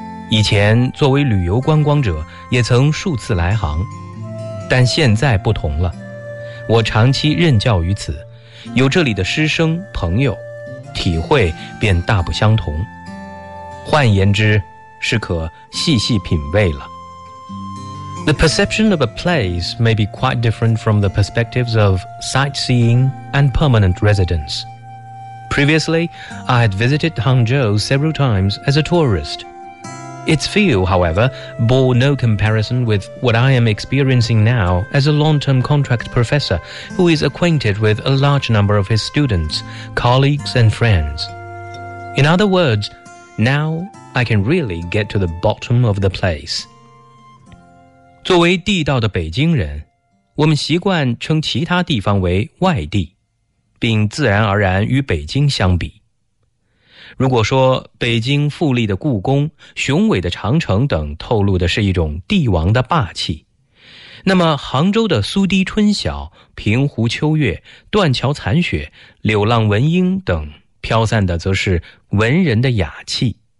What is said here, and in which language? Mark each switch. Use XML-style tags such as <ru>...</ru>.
<zh>以前作为旅游观光者也曾数次来杭，但现在不同了。我长期任教于此，有这里的师生朋友，体会便大不相同。换言之，是可细细品味了。</zh> <en>The perception of a place may be quite different from the perspectives of sightseeing and permanent residents. Previously, I had visited Hangzhou several times as a tourist. Its feel, however, bore no comparison with what I am experiencing now as a long-term contract professor who is acquainted with a large number of his students, colleagues and friends. In other words, now,I can really get to the bottom of the place.</en> <zh>作为地道的北京人，我们习惯称其他地方为外地，并自然而然与北京相比。如果说北京富丽的故宫、雄伟的长城等透露的是一种帝王的霸气，那么杭州的苏堤春晓、平湖秋月、断桥残雪、柳浪闻莺等飘散的则是文人的雅气。</zh>